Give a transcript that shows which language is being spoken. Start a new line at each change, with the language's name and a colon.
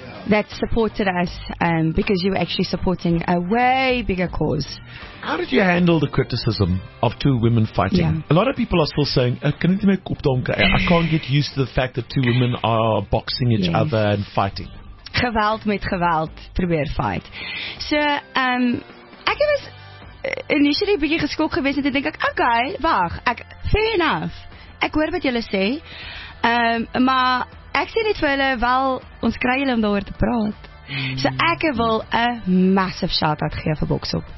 English: that supported us because you were actually supporting a way bigger cause. How did you handle the criticism of two women fighting? Yeah. A lot of people are still saying, I can't get used to the fact that two women are boxing each other and fighting.
Afrikaans: Geweld met geweld, probeer fight.
English: So, ek was initially a bit
Afrikaans: geskok geweest
English: and I think, okay, wacht, fair enough.
Afrikaans: Ek hoor wat julle sê, maar... ek sê net vir hulle, wel, ons kry hulle om daar te praat. So ek wil een massive shout-out geef vir Boksop.